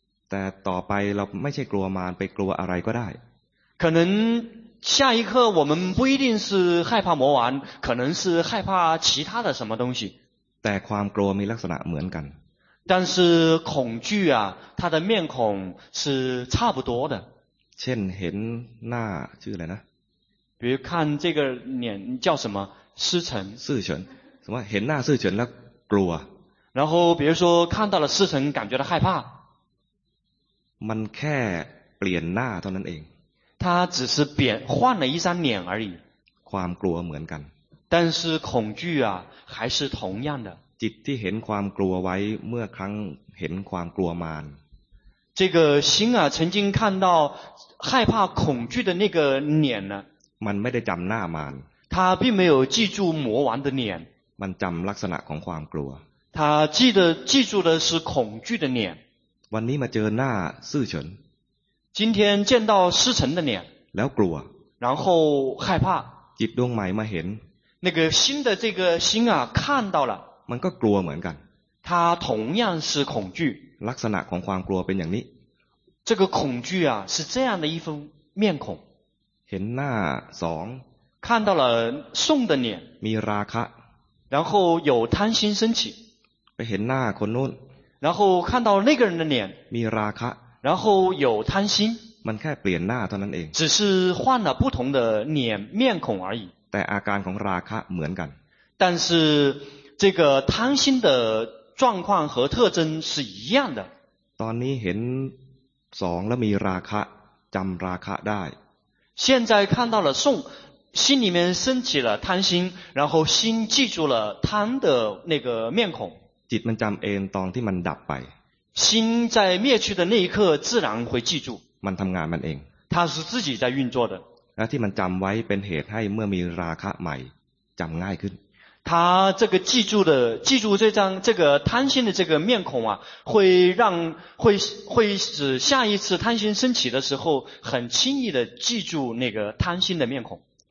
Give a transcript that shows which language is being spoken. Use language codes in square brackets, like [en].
[th] แต่ต่อไปเราไม่ใช่กลัวมารไปกลัวอะไรก็ได้ [zh] 可能下一刻我们不一定是害怕魔王可能是害怕其他的什么东西 [th] แต่ความกลัวมีลักษณะเหมือนกัน [zh] 但是恐惧啊它的面孔是差不多的 [th] เช่นเห็นหน้าชื่ออะไรนะ [zh] 比如看这个脸叫什么师承师承什么 [th] เห็นหน้าสื่อเฉินแล้วกลัว แล้วบิ๊กโซ่ [zh] 看到了师承感觉到害怕 [th] มันแค่เปลี่ยนหน้าเท่านั้นเอง [zh] 他只是换了一张脸而已 [th] ความกลัวเหมือนกัน [zh] 但是恐惧啊还是同样的 [th] จิตที่เห็นความกลัวไว้เมื่อครั้งเห็นความกลัวมาร [zh] 这个心啊曾经看到害怕恐惧的那个脸呢 [th] มันไม่ได้จำหน้ามาร [zh] 他并没有记住魔王的脸 [th] มันจำลักษณะของความกลัว [zh] 他记住的是恐惧的脸 [th] วันนี้มาเจอหน้าซื่อเฉิน [zh] 今天见到师承的脸 [th] แล้วกลัว [zh] 然后害怕 [th] จิตดวงใหม่มาเห็น [zh] 那个新的这个心啊看到了 [th] มันก็กลัวเหมือนกัน [zh] 他同样是恐惧 [th] ลักษณะของความกลัวเป็นอย่างนี้ [zh] 这个恐惧啊是这样的一份面孔 [th] เห็นหน้าสอง [zh] 看到了送的脸 [th] มีราคะ [zh] 然后有贪心升起 [th] ไปเห็นหน้าคนโน้ [zh] น然后看到那个人的脸 [th] มีราคะ [zh] 然后有贪心 [th] มันแค่เปลี่ยนหน้าเท่านั้นเอง [zh] 只是换了不同的脸面孔而已 [th] แต่อาการของราคะเหมือนกัน [zh] 但是这个贪心的状况和特征是一样的。 [th] ตอนนี้เห็นสองแล้วมีราคะจำราคะได้ [zh] 现在看到了送心里面升起了贪心然后心记住了贪的那个面孔 [th] จิตมันจำเองตอนที่มันดับไป [zh] 心在灭去的那一刻自然会记住 [th] มันทำงานมันเอง [zh] 它是自己在运作的 [th] และที่มันจำไว้เป็นเหตุให้เมื่อมีราคะใหม่จำง่ายขึ้น [zh] 他这个记住这张这个贪心的这个面孔啊，会使下一次贪心升起的时候，很轻易的记住那个贪心的面孔。